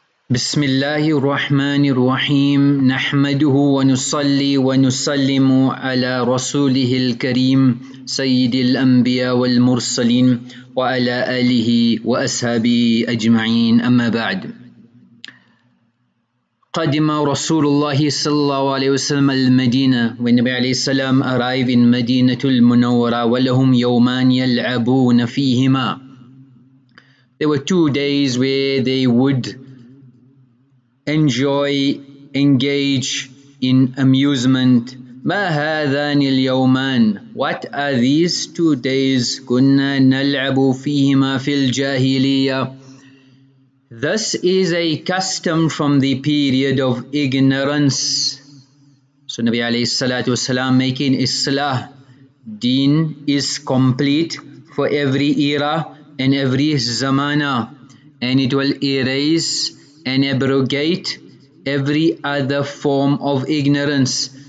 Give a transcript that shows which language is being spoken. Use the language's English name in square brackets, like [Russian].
[Arabic] بسم الله الرحمن الرحيم نحمده ونصلي ونسلم على رسوله الكريم سيد الأنبياء والمرسلين وعلى آله وأصحابه أجمعين أما بعد قدم رسول الله صلى الله عليه وسلم المدينة والنبي عليه السلام [English] arrive in [Arabic] مدينة المنورة ولهم يومان يلعبون فيهما. [English] There were 2 days where they would enjoy, engage in amusement. [Arabic] ما هذان اليومان, [English] what are these 2 days? [Arabic] كنا نلعب فيهما في الجاهلية. [English] This is a custom from the period of ignorance. So Nabi [Arabic] عليه الصلاة والسلام [English] making islah. Deen is complete for every era and every zamana, and it will erase and abrogate every other form of ignorance.